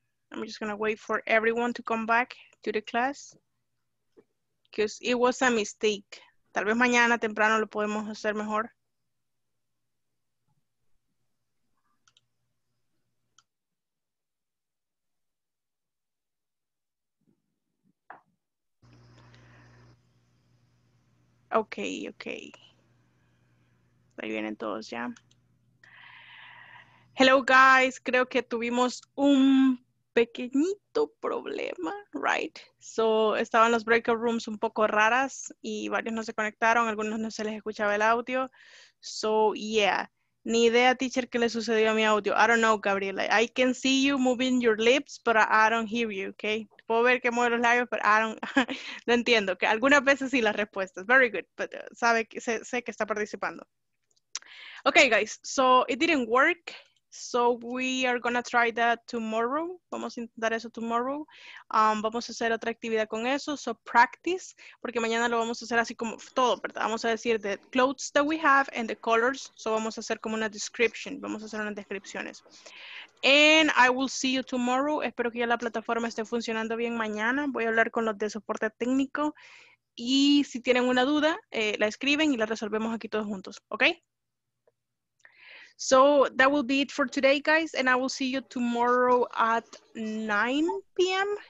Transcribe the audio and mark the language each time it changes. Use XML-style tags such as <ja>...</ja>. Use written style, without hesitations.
<en>I'm just going to wait for everyone to come back to the class. Because it was a mistake.</en> <es>Tal vez mañana temprano lo podemos hacer mejor. Okay. Ahí vienen todos ya.</es> <en>Hello guys,</en> <es>creo que tuvimos un pequeñito problema, right? So, estaban los breakout rooms un poco raras y varios no se conectaron, algunos no se les escuchaba el audio.</es> <en>So, yeah.</en> <es>Ni idea, teacher, qué le sucedió a mi audio.</es> <en>I don't know, Gabriela. I can see you moving your lips, but I don't hear you, okay?</en> <es>Puedo ver que mueve los labios, pero</es> <en>I don't...</en> <es>No entiendo, que algunas veces sí las respuestas.</es> <en>Very good, but</en> <es>sabe que, sé que está participando.</es> <en>Okay, guys, so it didn't work. So we are gonna try that tomorrow.</en> <es>Vamos a intentar eso tomorrow. Vamos a hacer otra actividad con eso. So practice, porque mañana lo vamos a hacer así como todo, ¿verdad? Vamos a decir</es> <en>the clothes that we have and the colors.</en> <es>So vamos a hacer como una description. Vamos a hacer unas descripciones.</es> <en>And I will see you tomorrow.</en> <es>Espero que ya la plataforma esté funcionando bien mañana. Voy a hablar con los de soporte técnico. Y si tienen una duda, la escriben y la resolvemos aquí todos juntos. ¿Ok?</es> <en>So that will be it for today, guys. And I will see you tomorrow at 9 p.m.</en>